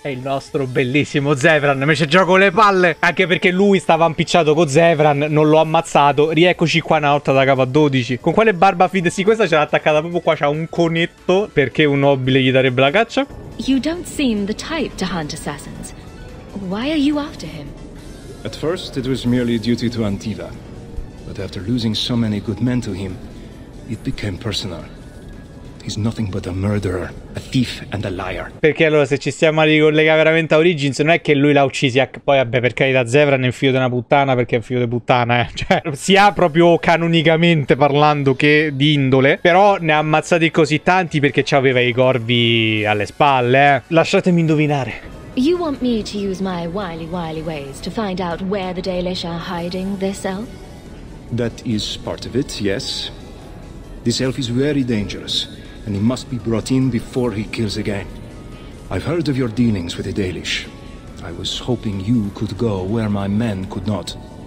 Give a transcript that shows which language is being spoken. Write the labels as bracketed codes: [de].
[it] È il nostro bellissimo Zevran, me ci gioco le palle. Anche perché lui stava impicciato con Zevran, non l'ho ammazzato. Rieccoci qua una volta da capo a 12. Con quale barba fide? Sì, questa ce l'ha attaccata proprio qua, c'ha un conetto. Perché un nobile gli darebbe la caccia? [en] You don't seem the type to hunt assassins. Why are you after him? At first it was merely duty to Antiva. But after losing so many good men to him, it became personal. He's nothing but a murderer, a thief and a liar. [it] Perché allora se ci stiamo a ricollegare veramente a Origins, non è che lui l'ha uccisi. Poi vabbè, per carità, Zevran è un figlio di una puttana, perché è un figlio di puttana, eh. Cioè, sia proprio canonicamente parlando che di indole. Però ne ha ammazzati così tanti perché ci aveva i corvi alle spalle, eh. Lasciatemi indovinare. [en] You want me to use my wily wily ways to find out where the Dalish are hiding this elf? That is part of it, yes. This elf is very dangerous, and he must be brought in before he kills again. I've heard of your dealings with the Dalish. I was hoping you could go where my men could not.